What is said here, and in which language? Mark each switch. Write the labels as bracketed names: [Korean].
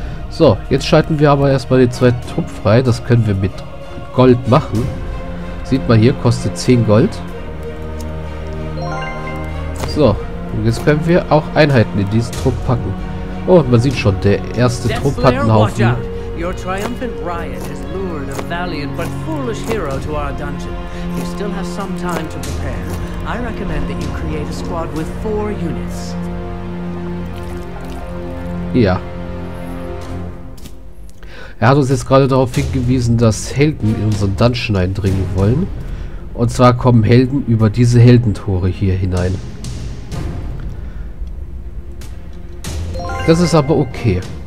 [German] So, jetzt schalten wir aber erstmal den zweiten Trupp frei. Das können wir mit Gold machen. Sieht man hier, kostet 10 Gold. So, und jetzt können wir auch Einheiten in diesen Trupp packen. Oh, man sieht schon, der erste Trupp hat einen Haufen. [English] Your triumphant riot has lured a valiant but foolish hero to our dungeon. You still have some time to prepare. I recommend that you create a squad with 4 units. [German] Ja. Er hat uns jetzt gerade darauf hingewiesen, dass Helden in unseren Dungeon eindringen wollen. Und zwar kommen Helden über diese Heldentore hier hinein. Das ist aber okay.